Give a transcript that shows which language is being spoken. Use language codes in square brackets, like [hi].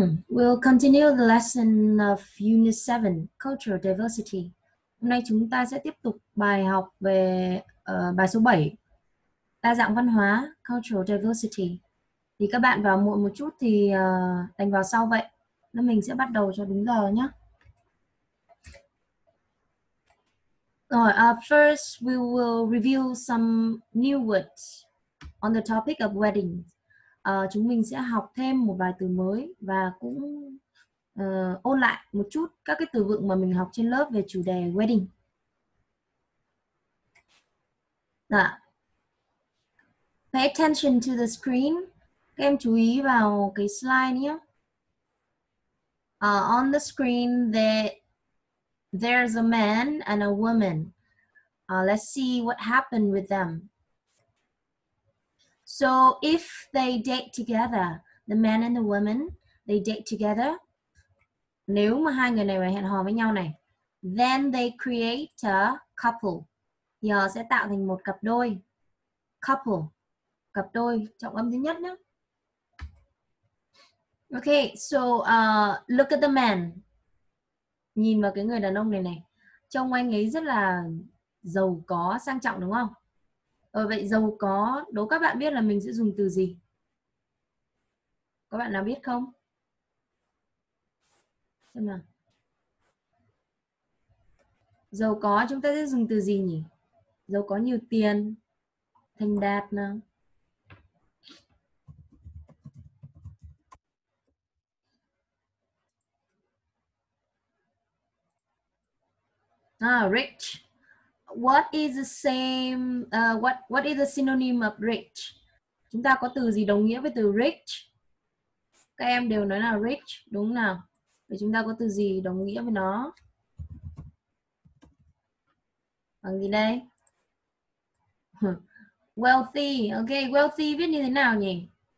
[en] We'll continue the lesson of Unit 7, Cultural Diversity. [vi] Hôm nay chúng ta sẽ tiếp tục bài học về bài số 7, Đa dạng văn hóa, Cultural Diversity. Thì các bạn vào muộn một chút thì đành vào sau vậy. Nên mình sẽ bắt đầu cho đúng giờ nhé. [en] First, we will review some new words on the topic of weddings. [vi] Chúng mình sẽ học thêm một vài từ mới và cũng ôn lại một chút các cái từ vựng mà mình học trên lớp về chủ đề wedding. [en] Now, pay attention to the screen. [vi] Các em chú ý vào cái slide nhé. [en] On the screen, there's a man and a woman. Let's see what happened with them. So if they date together, the man and the woman, they date together. [vi] Nếu mà hai người này mà hẹn hò với nhau này, [en] then they create a couple. [vi] Thì họ sẽ tạo thành một cặp đôi. Couple, cặp đôi, trọng âm thứ nhất nhé. [en] Okay, so look at the man. [vi] Nhìn vào cái người đàn ông này này. Trông anh ấy rất là giàu có, sang trọng đúng không? Vậy giàu có, đố các bạn biết là mình sẽ dùng từ gì? Các bạn nào biết không? Xem nào. Giàu có chúng ta sẽ dùng từ gì nhỉ? Giàu có nhiều tiền, thành đạt nào. [en] Rich. What is the same what is the synonym of rich? [vi] Chúng ta có từ gì đồng nghĩa với từ rich? Các em đều nói là rich đúng không nào? Vậy chúng ta có từ gì đồng nghĩa với nó? Bằng gì đây? Wealthy. Okay, wealthy viết như thế nào nhỉ?